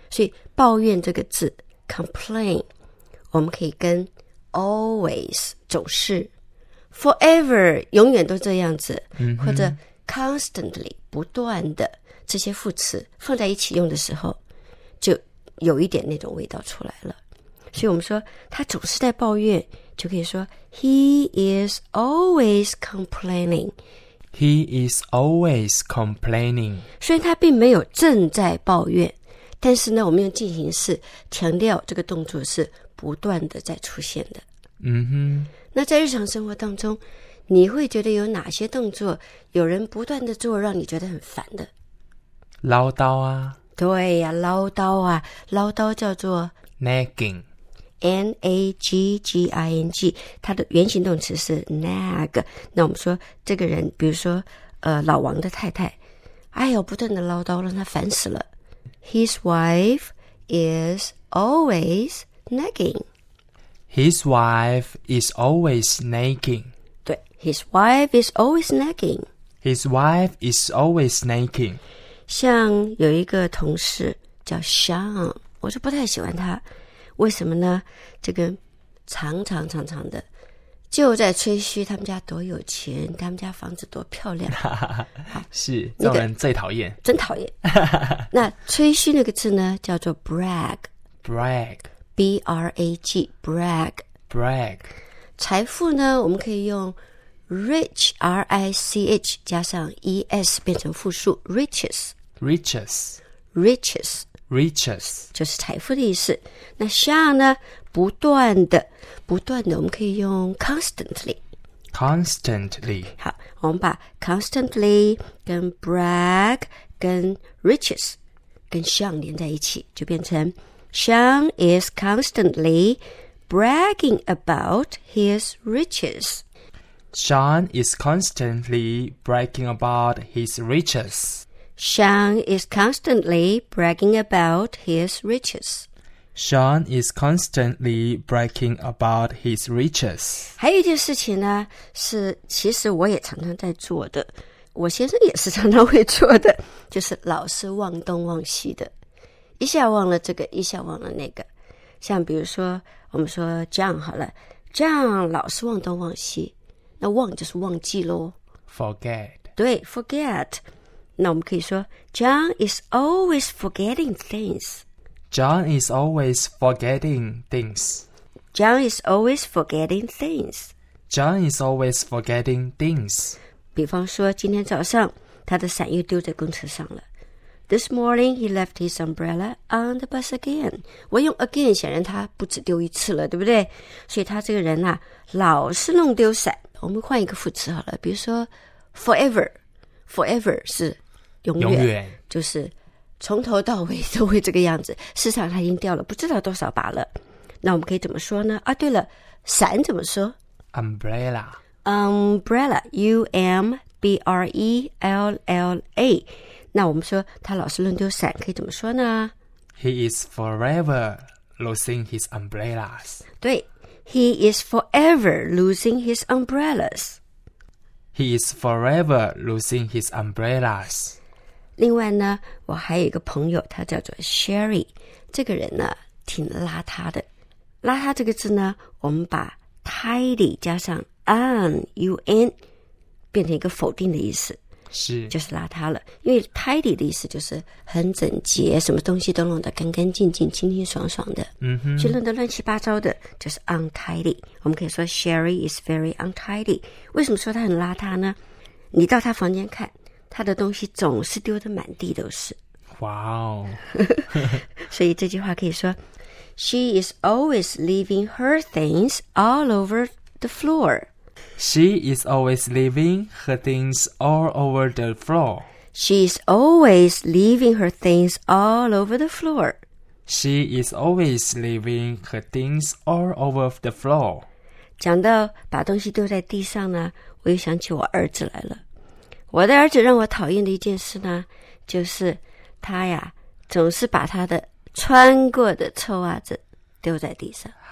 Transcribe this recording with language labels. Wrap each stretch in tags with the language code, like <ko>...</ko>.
<zh>所以抱怨这个字 complain 我们可以跟 always 总是 forever 永远都这样子、嗯、或者 constantly 不断的这些副词放在一起用的时候，就有一点那种味道出来了。所以我们说他总是在抱怨，就可以说</zh> <en>he is always complaining He is always complaining.</en> <zh>虽然他并没有正在抱怨，但是呢，我们用进行式强调这个动作是不断的在出现的。嗯哼。那在日常生活当中，你会觉得有哪些动作有人不断的做让你觉得很烦的？唠叨啊。对呀、啊，唠叨啊，唠叨叫做</zh> <en>nagging。</en> <zh>N-A-G-G-I-N-G 它的原型动词是 nag， 那我们说这个人比如说老王的太太，哎呦不断的唠叨让他烦死了。</zh> <en>His wife is always nagging. His wife is always nagging. 对， His wife is always nagging. His wife is always nagging.</en> <zh>像有一个同事叫 Sean， 我就不太喜欢他。为什么呢？这个常常的就在吹嘘他们家多有钱，他们家房子多漂亮。是这种人最讨厌、那个、真讨厌。那吹嘘那个字呢叫做 brag，</zh> <en>brag， b-r-a-g， brag， brag。</en> <zh>财富呢我们可以用 rich， r-i-c-h 加上 e-s 变成复数 riches，</zh> <en>riches， riches， Riches</en> <zh>就是财富的意思。那像呢，不断的，不断的，我们可以用 constantly。</zh> <en>Constantly。</en> <zh>好，我们把 constantly 跟 brag 跟 riches 跟像连在一起，就变成</zh> <en>Sean is constantly bragging about his riches. Sean is constantly bragging about his riches. Sean is constantly bragging about his riches. Sean is constantly bragging about his riches.</en> <zh>还有一件事情呢，是其实我也常常在做的，我先生也是常常会做的，就是老是忘东忘西的，一下忘了这个，一下忘了那个。像比如说，我们说 John 好了 ，John 老是忘东忘西，那忘就是忘记咯</zh> <en>Forget. 对 ，forget.</en> <zh>那我们可以说</zh> <en>John is always forgetting things. John is always forgetting things. John is always forgetting things. John is always forgetting things.</en> <zh>比方说今天早上他的伞又丢在公车上了。</zh> <en>This morning he left his umbrella on the bus again.</en> <zh>我用 again 显然他不止丢一次了，对不对？所以他这个人啊老是弄丢伞。我们换一个副词好了，比如说 forever. Forever 是永远就是从头到尾都会这个样子，市场它已经掉了不知道多少把了。那我们可以怎么说呢？啊对了，伞怎么说？</zh> <en>Umbrella， Umbrella， U-M-B-R-E-L-L-A。</en> <zh>那我们说他老是弄丢伞可以怎么说呢？</zh> <en>He is forever losing his umbrellas。对， He is forever losing his umbrellas He is forever losing his umbrellas.</en> <zh>另外呢，我还有一个朋友，他叫做 Sherry。这个人呢，挺邋遢的。邋遢这个字呢，我们把 tidy 加上 un, un 变成一个否定的意思。是，就是邋遢了。因为 tidy 的意思就是很整洁，什么东西都弄得干干净净、清清爽爽的。嗯哼，就弄得乱七八糟的，就是 untidy。我们可以说</zh> <en>Sherry is very untidy。</en> <zh>为什么说她很邋遢呢？你到她房间看，她的东西总是丢得满地都是。哇哦！所以这句话可以说，</zh> <en>She is always leaving her things all over the floor。 She is always leaving her things all over the floor. She is always leaving her things all over the floor. She is always leaving her things all over the floor.</en> <zh>讲到把东西丢在地上呢，我又想起我儿子来了。我的儿子让我讨厌的一件事呢，就是他呀，总是把他的穿过的臭袜子丢在地上。</zh>